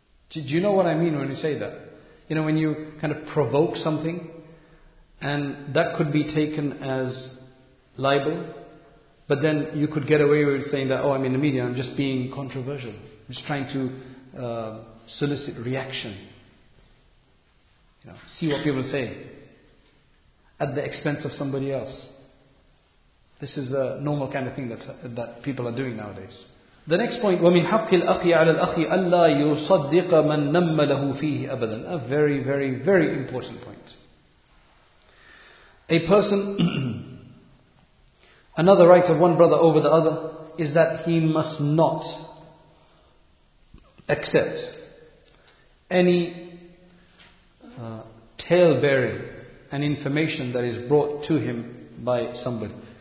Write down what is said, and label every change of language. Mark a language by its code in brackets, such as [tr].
[en] Do you know what I mean when you say that? You know, when you kind of provoke something, and that could be taken as libel, but then you could get away with saying that, oh, I'm in the media, I'm just being controversial. Just trying to solicit reaction. You know, see what people say. At the expense of somebody else. This is the normal kind of thing that people are doing nowadays. The next point, [ar] وَمِنْ حَقِّ الْأَخِي عَلَى الْأَخِي أَلَّا يُصَدِّقَ مَنْ نَمَّ لَهُ فِيهِ أَبَدًا. [en] A very, very, very important point. A person, another right of one brother over the other, is that he must not accept any tale-bearing and information that is brought to him by somebody.